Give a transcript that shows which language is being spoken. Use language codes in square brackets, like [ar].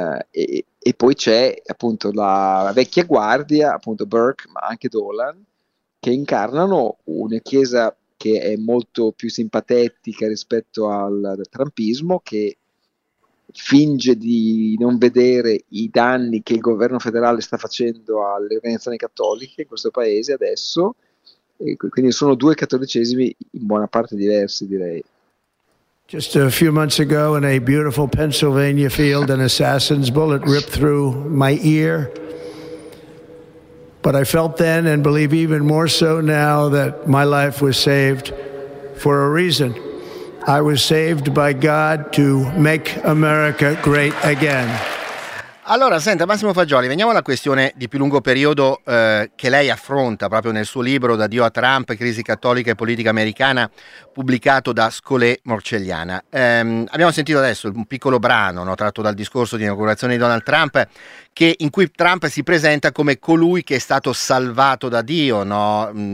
[it] E poi c'è appunto la vecchia guardia, appunto Burke, ma anche Dolan, che incarnano una chiesa che è molto più simpatetica rispetto al trumpismo, che finge di non vedere i danni che il governo federale sta facendo alle organizzazioni cattoliche in questo paese adesso, e quindi sono due cattolicesimi in buona parte diversi, direi. [en] Just a few months ago, in a beautiful Pennsylvania field, an assassin's bullet ripped through my ear. But I felt then, and believe even more so now, that my life was saved for a reason. I was saved by God to make America great again. [it] Allora, senta, Massimo Fagioli, veniamo alla questione di più lungo periodo che lei affronta proprio nel suo libro D'addio a Trump, Crisi cattolica e politica americana, pubblicato da Scholé Morcelliana. Abbiamo sentito adesso un piccolo brano, no, tratto dal discorso di inaugurazione di Donald Trump, in cui Trump si presenta come colui che è stato salvato da Dio, no?